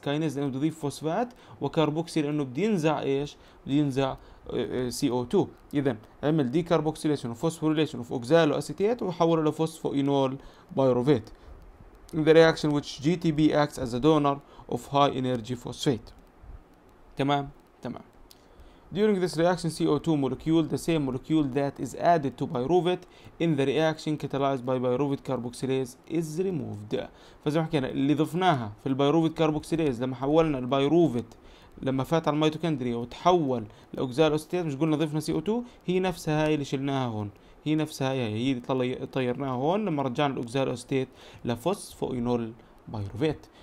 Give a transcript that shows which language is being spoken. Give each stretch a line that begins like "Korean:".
Arabic: كاينيز لانه بيضيف فوسفات، وكاربوكسي لانه بينزع ايش؟ بينزع سي او 2. اذا عمل ديكاربوكسيليشن وفوسفوريليشن اوف اوكزالو اسيتيت وحوله لفوسفوينول بايروفيت.
English: The reaction which G T P acts as a donor of high energy phosphate.
Arabic: تمام؟ تمام.
English: During this reaction CO2 molecule, the same molecule that is added to pyruvate in the reaction catalyzed by pyruvate carboxylase is removed.
Arabic: فزي ما حكينا اللي ضفناها في البيروفيت كاربوكسيليز لما حولنا البيروفيت لما فات على الميتوكندريا وتحول لأوكزالو أسيتيت، مش قلنا ضفنا CO2؟ هي نفسها هاي اللي شلناها هون، هي نفسها هي اللي طيرناها هون لما رجعنا الأوكزالو أسيتيت لفوسفوينول بايروفيت.